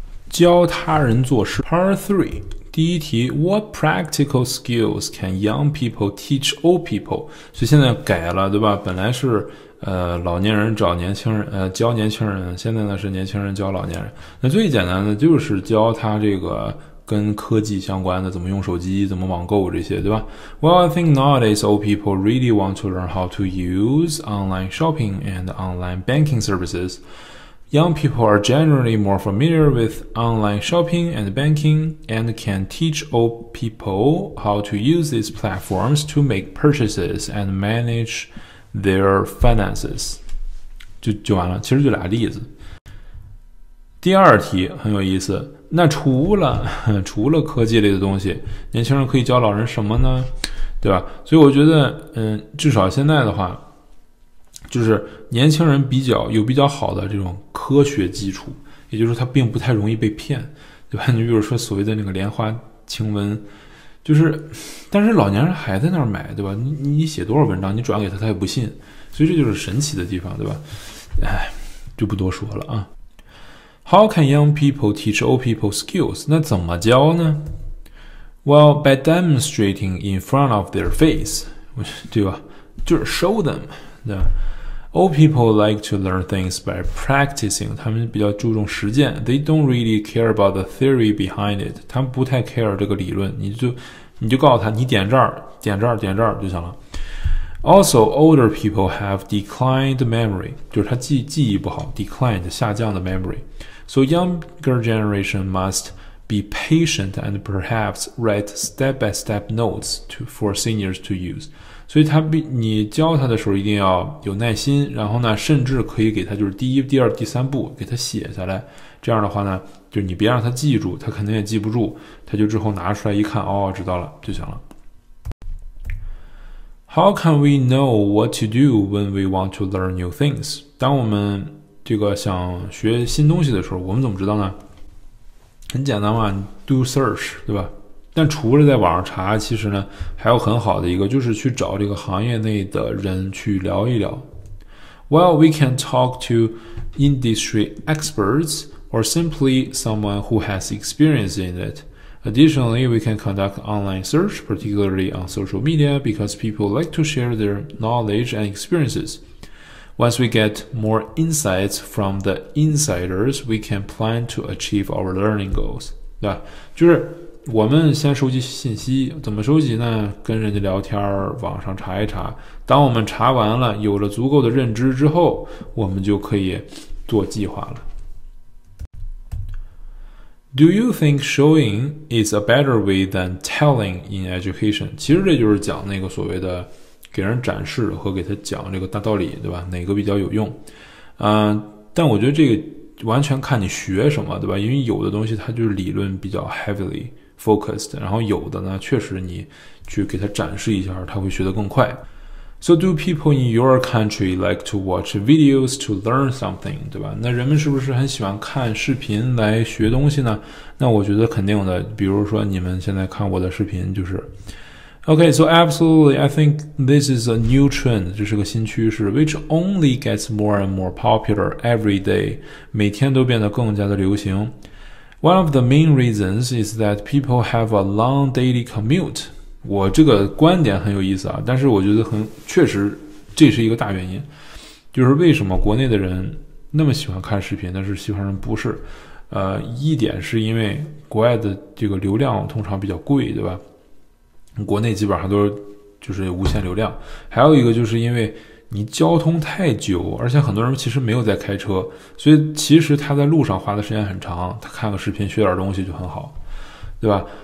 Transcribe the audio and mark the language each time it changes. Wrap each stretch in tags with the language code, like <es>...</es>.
<zh>教他人做事</zh> <en>，Part 3，</en> <zh>第一题</zh> <en>，What practical skills can young people teach old people？</en> <zh>所以现在改了，对吧？本来是老年人找年轻人教年轻人，现在呢是年轻人教老年人。那最简单的就是教他这个。跟科技相关的，怎么用手机，怎么网购这些，对吧</zh> <en>？Well, I think nowadays old people really want to learn how to use online shopping and online banking services. Young people are generally more familiar with online shopping and banking, and can teach old people how to use these platforms to make purchases and manage their finances.</en> <zh>就完了，其实就俩例子。第二题很有意思。那除了科技类的东西，年轻人可以教老人什么呢？对吧？所以我觉得，至少现在的话，就是年轻人比较好的这种科学基础，也就是他并不太容易被骗，对吧？你比如说所谓的那个莲花清瘟，就是，但是老年人还在那儿买，对吧？你写多少文章，你转给他，他也不信，所以这就是神奇的地方，对吧？哎，就不多说了啊。</zh> <en>How can young people teach old people skills?</en> <zh>那怎么教呢？</zh> <en>Well, by demonstrating in front of their face,</en> <zh>对吧？就是</zh> <en>show them.</en> <zh>对吧？</zh> <en>Old people like to learn things by practicing.</en> <zh>他们比较注重实践。</zh> <en>They don't really care about the theory behind it.</en> <zh>他们不太 care 这个理论。你就告诉他，你点这儿，点这儿，点这儿就行了。</zh> <en>Also, older people have declined memory,</en> <zh>就是他记忆不好</zh> <en>,declined,</en> <zh>下降的</zh> <en>memory. So younger generation must be patient and perhaps write step-by-step notes for seniors to use.</en> <zh>所以你教他的时候一定要有耐心，然后呢甚至可以给他就是第一、第二、第三步给他写下来。这样的话呢就是你别让他记住，他肯定也记不住，他就之后拿出来一看，哦，知道了就行了。</zh> <en>How can we know what to do when we want to learn new things?</en> <zh>当我们这个想学新东西的时候，我们怎么知道呢？很简单嘛，</zh> <en>do search，</en> <zh>对吧？但除了在网上查，其实呢还有很好的一个，就是去找这个行业内的人去聊一聊。</zh> <en>Well, we can talk to industry experts or simply someone who has experience in it. Additionally, we can conduct online search, particularly on social media, because people like to share their knowledge and experiences. Once we get more insights from the insiders, we can plan to achieve our learning goals.</en> <zh>对吧？就是我们先收集信息，怎么收集呢？跟人家聊天，网上查一查。当我们查完了，有了足够的认知之后，我们就可以做计划了。</zh> <en>Do you think showing is a better way than telling in education?</en> <zh>其实这就是讲那个所谓的给人展示和给他讲这个大道理，对吧？哪个比较有用？但我觉得这个完全看你学什么，对吧？因为有的东西它就是理论比较</zh> <en>heavily focused，</en> <zh>然后有的呢，确实你去给他展示一下，他会学得更快。</zh> <en>So do people in your country like to watch videos to learn something，</en> <zh>对吧？那人们是不是很喜欢看视频来学东西呢？那我觉得肯定的。比如说你们现在看我的视频，就是。</zh> <en>Okay, so absolutely, I think this is a new trend,</en> <zh>这是个新趋势</zh> <en>which only gets more and more popular every day,</en> <zh>每天都变得更加的流行。</zh> <en>One of the main reasons is that people have a long daily commute.</en> <zh>我这个观点很有意思啊，但是我觉得很确实这是一个大原因。就是为什么国内的人那么喜欢看视频，但是西方人不是。一点是因为国外的这个流量通常比较贵，对吧？国内基本上都是就是无限流量，还有一个就是因为你交通太久，而且很多人其实没有在开车，所以其实他在路上花的时间很长，他看个视频学点东西就很好，对吧？</zh>